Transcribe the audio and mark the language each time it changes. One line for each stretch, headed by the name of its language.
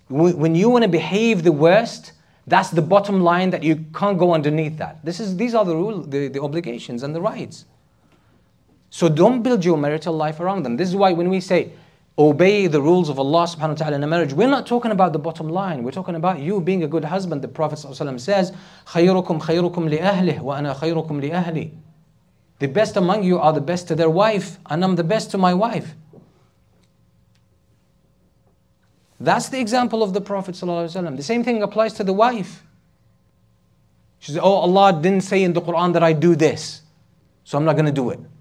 English: When you want to behave the worst, that's the bottom line, that you can't go underneath that. These are the rules, the obligations and the rights. So don't build your marital life around them. This is why when we say obey the rules of Allah subhanahu wa ta'ala in a marriage, we're not talking about the bottom line. We're talking about you being a good husband. The Prophet says,
Arabic: خَيْرُكُمْ خَيْرُكُمْ لِأَهْلِهِ وَأَنَا خَيْرُكُمْ لِأَهْلِهِ.
English: The best among you are the best to their wife, and I'm the best to my wife. That's the example of the Prophet ﷺ. The same thing applies to the wife. She says, oh, Allah didn't say in the Quran that I do this, so I'm not going to do it.